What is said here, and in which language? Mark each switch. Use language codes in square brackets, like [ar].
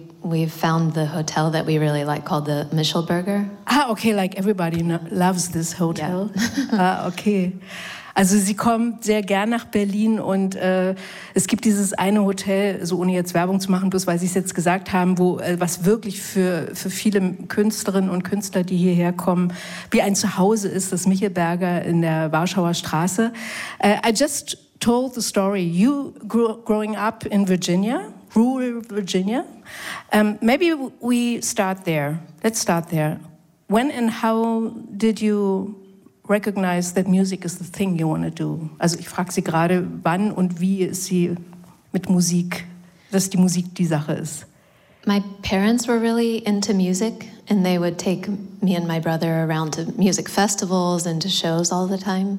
[en] We've found the hotel that we really like called the Michelberger. Ah, okay, like everybody loves this hotel. Yeah. okay. [de] Also sie kommt sehr gern nach Berlin und es gibt dieses eine Hotel, so ohne jetzt Werbung zu machen, bloß weil sie es jetzt gesagt haben, was wirklich für viele Künstlerinnen und Künstler, die hierher kommen, wie ein Zuhause ist, das Michelberger in der Warschauer Straße. [en] I just told the story. You growing up in Virginia, rural Virginia. Maybe we start there. Let's start there. When and how did you recognize that music is the thing you want to do? [de] Also ich frage sie gerade, wann und wie ist sie mit Musik, dass die Musik die Sache ist? [en] My parents were really into music and they would take me and my brother around to music festivals and to shows all the time.